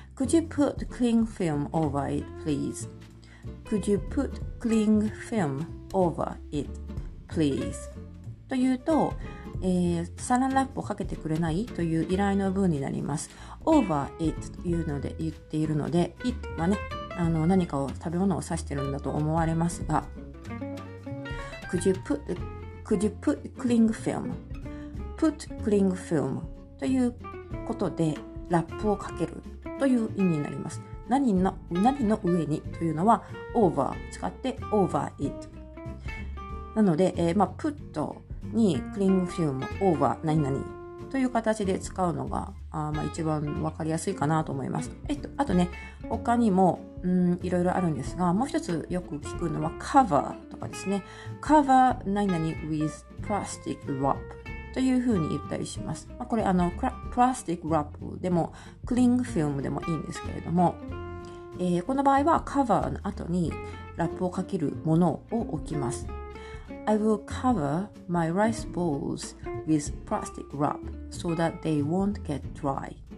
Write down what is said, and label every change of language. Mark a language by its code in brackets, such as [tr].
[en] Could you put cling film over it, please? Could you put cling film over it, please? [ja] というと、サランラップをかけてくれないという依頼の文になります。 over it というので言っているので、it はね、何かを食べ物を指しているんだと思われますが、 [en] could you put cling film? [ja] put cling film ということで、ラップをかけるという意味になります。何の上にというのは、over 使って over it。なので、put にクリングフィルムオーバー何々という形で使うのが一番わかりやすいかなと思います。あとね、他にもいろいろあるんですが、もう一つよく聞くのはカバーとかですね。カバー何々 [en] with plastic wrap [ja] というふうに言ったりします。これプラスティックラップでもクリングフィルムでもいいんですけれども、この場合はカバーの後にラップをかけるものを置きます。 [en] I will cover my rice bowls with plastic wrap so that they won't get dry.